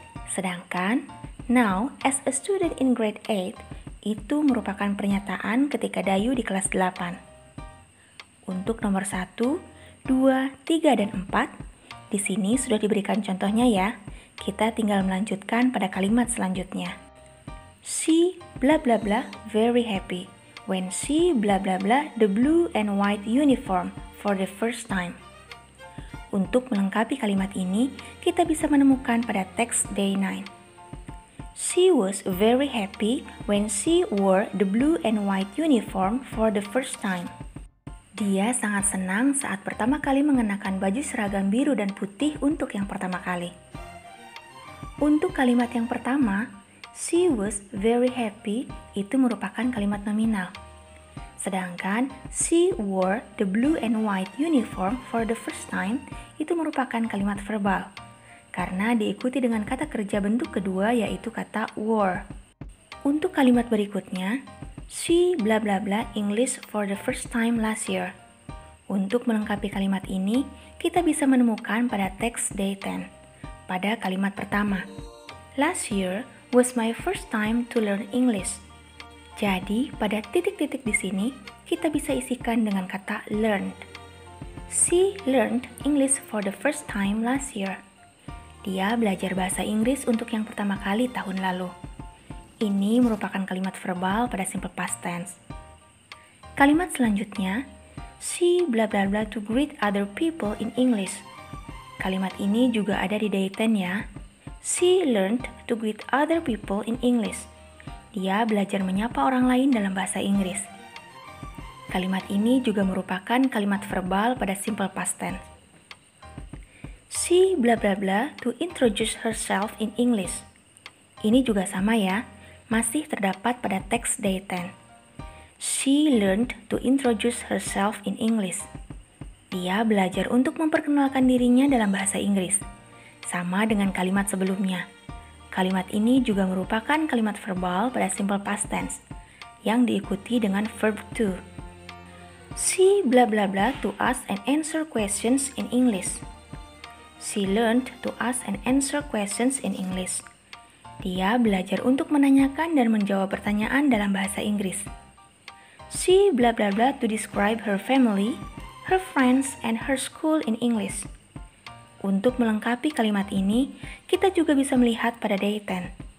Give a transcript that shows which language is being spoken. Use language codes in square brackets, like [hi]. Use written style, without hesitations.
[id] Sedangkan, [en] now, as a student in grade 8, [id] itu merupakan pernyataan ketika Dayu di kelas 8. Untuk nomor 1, 2, 3, dan 4, di sini sudah diberikan contohnya ya. Kita tinggal melanjutkan pada kalimat selanjutnya. [en] She blah blah blah very happy when she blah blah blah the blue and white uniform for the first time. [id] Untuk melengkapi kalimat ini, kita bisa menemukan pada teks day 9. [en] She was very happy when she wore the blue and white uniform for the first time. [id] Dia sangat senang saat pertama kali mengenakan baju seragam biru dan putih untuk yang pertama kali. Untuk kalimat yang pertama, [en] she was very happy, [id] itu merupakan kalimat nominal. Sedangkan [en] she wore the blue and white uniform for the first time [id] itu merupakan kalimat verbal karena diikuti dengan kata kerja bentuk kedua yaitu kata wore. Untuk kalimat berikutnya, [en] she bla bla bla English for the first time last year. [id] Untuk melengkapi kalimat ini, kita bisa menemukan pada teks day 10. Pada kalimat pertama, [en] last year was my first time to learn English. [id] Jadi, pada titik-titik di sini, kita bisa isikan dengan kata learned. [en] She learned English for the first time last year. [id] Dia belajar bahasa Inggris untuk yang pertama kali tahun lalu. Ini merupakan kalimat verbal pada simple past tense. Kalimat selanjutnya, [en] she blah blah blah to greet other people in English. [id] Kalimat ini juga ada di day 10 ya. [en] She learned to greet other people in English. [id] Dia belajar menyapa orang lain dalam bahasa Inggris. Kalimat ini juga merupakan kalimat verbal pada simple past tense. [en] She blah blah blah to introduce herself in English. [id] Ini juga sama ya, masih terdapat pada teks day 10. [en] She learned to introduce herself in English. [id] Dia belajar untuk memperkenalkan dirinya dalam bahasa Inggris. Sama dengan kalimat sebelumnya. Kalimat ini juga merupakan kalimat verbal pada simple past tense yang diikuti dengan verb to. [en] She blah blah blah to ask and answer questions in English. She learned to ask and answer questions in English. [id] Dia belajar untuk menanyakan dan menjawab pertanyaan dalam bahasa Inggris. [en] She blah blah blah to describe her family, her friends, and her school in English. [id] Untuk melengkapi kalimat ini, kita juga bisa melihat pada day 10.